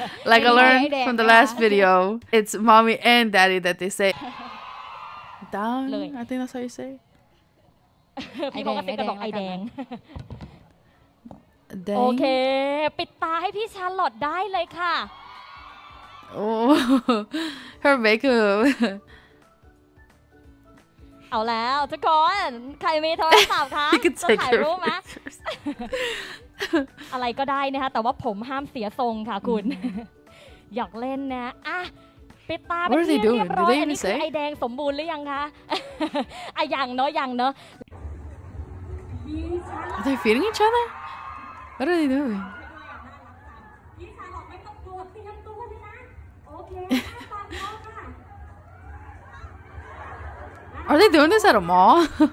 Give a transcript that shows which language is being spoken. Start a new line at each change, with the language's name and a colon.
English: Like I learned from the last video it's mommy and daddy that they say Dang I think that's how you say
Thai: พี่ปกติก็บอกไอแดงโอเคปิดตาให้พี่ชาร์ลอตได้เลยค่ะ
English: โอ้ her makeup
Thai: เอาแล้วทุกคนใครมีโทรศัพท์คะจะถ่ายรูปมะอะไรก็ได้นะคะแต่ว่าผมห้ามเสียทรงค่ะคุณอยากเล่นนะอ่ะปิดตาไปที่เรียบร้อยอันนี้คือไอแดงสมบูรณ์หรือยังคะอะยังเนาะยังเนาะ
English: Are they feeling each other? What are they doingAre they doing this at a mall?